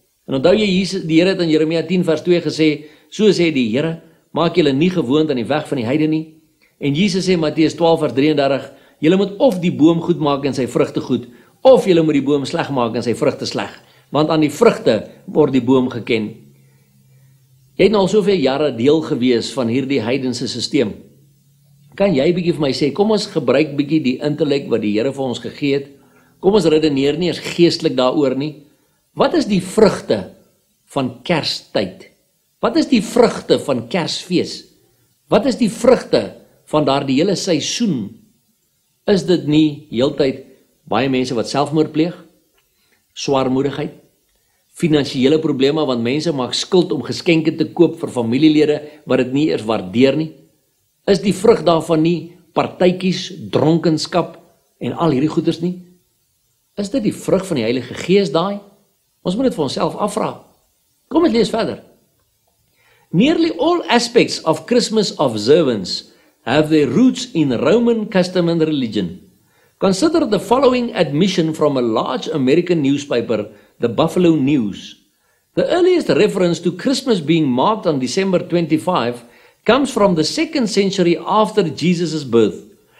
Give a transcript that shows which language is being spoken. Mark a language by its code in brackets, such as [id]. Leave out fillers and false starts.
[af] En onthou jy Jesus, die Here het in Jeremia 10 vers 2 gesê, so sê die Here, maak julle nie gewoond aan die weg van die heidene nie. En Jesus sê in Matteus 12 vers 33, julle moet of die boom goed maak en sy vrugte goed, of julle moet die boom sleg maak en sy vrugte sleg, want aan die vrugte word die boom geken. Jy het nou al soveel jare deel gewees van hierdie heidense systeem. Kan jy bietjie vir my sê, kom ons gebruik bietjie die intellek wat die Here vir ons gegee het. Kom ons redeneer nie eens geestelik daaroor nie. Wat is die vrugte van Kerstyd? Wat is die vrugte van Kersfees? Wat is die vrugte van daardie hele seisoen? Is dit nie heeltyd baie mense wat selfmoord pleeg? Swaarmoedigheid? Finansiële probleme, want mense maak skuld om geskenke te koop vir familielede wat dit nie eers waardeer nie? Is die vrug daarvan nie partytjies, dronkenskap en al hierdie goeders nie? Is dit die vrug van die Heilige Gees daai? Ons moet dit vir onsself afvra. Kom ons lees verder. [en] Nearly all aspects of Christmas observance have their roots in Roman custom and religion. Consider the following admission from a large American newspaper, the Buffalo News. The earliest reference to Christmas being marked on December 25 comes from the 2nd century after Jesus' birth.